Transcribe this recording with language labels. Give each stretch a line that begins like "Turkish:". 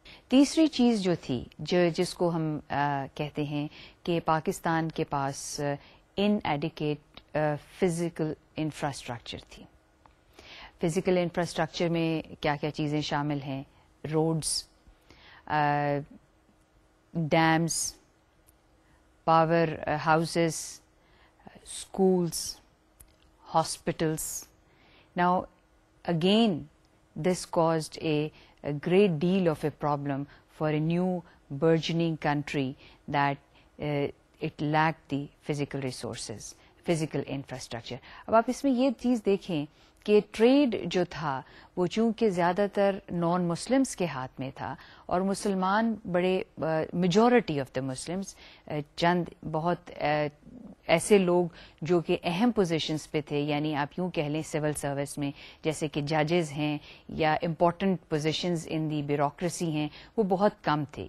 Urdu: تیسری چیز جو تھی، جو جس کو ہم کہتے ہیں کہ پاکستان کے پاس
English: inadequate physical infrastructure
Urdu: تھی.
English: physical infrastructure
Urdu: میں کیا کیا چیزیں شامل ہیں؟
English: roads, dams, power houses, schools, hospitals. now again this caused a great deal of a problem for a new burgeoning country that it lacked the physical resources, physical infrastructure.
Urdu: اب آپ اس میں یہ چیز دیکھیں کہ ٹریڈ جو تھا وہ چونکہ زیادہ تر نان مسلمس کے ہاتھ میں تھا، اور مسلمان بڑے
English: majority of the Muslims,
Urdu: چند بہت ایسے لوگ جو کہ اہم پوزیشنز پہ تھے, یعنی آپ یوں کہہ لیں سول سروس میں, جیسے کہ ججز ہیں یا
English: important positions in the bureaucracy
Urdu: ہیں, وہ بہت کم تھے.